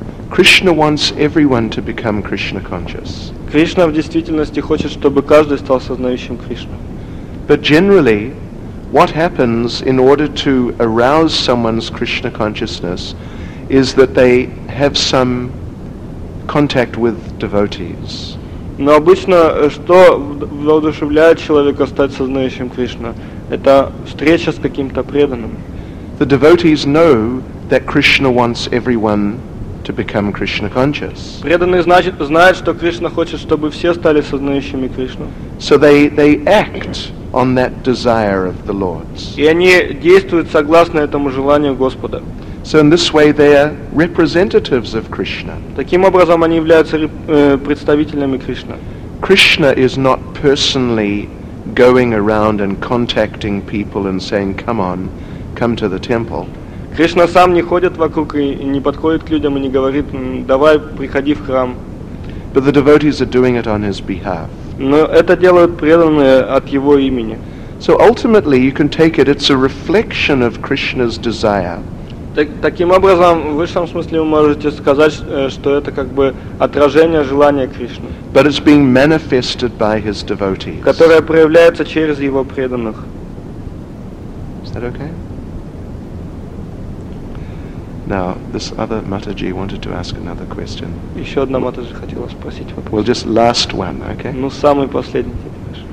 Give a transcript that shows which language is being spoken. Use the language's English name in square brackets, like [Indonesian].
[English] Krishna wants everyone to become Krishna conscious. [Russian] Кришна в действительности хочет, чтобы каждый стал сознающим Кришну. [English] But generally, what happens in order to arouse someone's Krishna consciousness is that they have some contact with devotees. [Russian] Но обычно что воодушевляет человека стать сознающим Кришну? Это встреча с каким-то преданным. [English] The devotees know that Krishna wants everyone to become Krishna conscious. [Russian] Преданные знают, что Кришна хочет, чтобы все стали сознающими Кришну. [English] So they act on that desire of the Lord's. [Russian] И они действуют согласно этому желанию Господа. [English] So in this way they are representatives of Krishna. [Russian] Таким образом они являются представителями Кришны. [English] Krishna is not personally going around and contacting people and saying, "Come on, come to the temple." [Russian] Кришна сам не ходит вокруг и не подходит к людям и не говорит: давай, приходи в храм. [English] But the devotees are doing it on his behalf. [Russian] Но это делают преданные от его имени. [English] So ultimately you can take it, it's a reflection of Krishna's desire. [Russian] Таким образом, в высшем смысле вы можете сказать, что это как бы отражение желания Кришны. [English] But it's being manifested by his devotees. [Russian] Которое проявляется через его преданных. [English] Is that okay? Now, this other Mataji wanted to ask another question. [Russian] Еще одна Матаджи хотела спросить вопрос. [English] Well, just last one, okay? [Russian] Ну, самый последний теперь.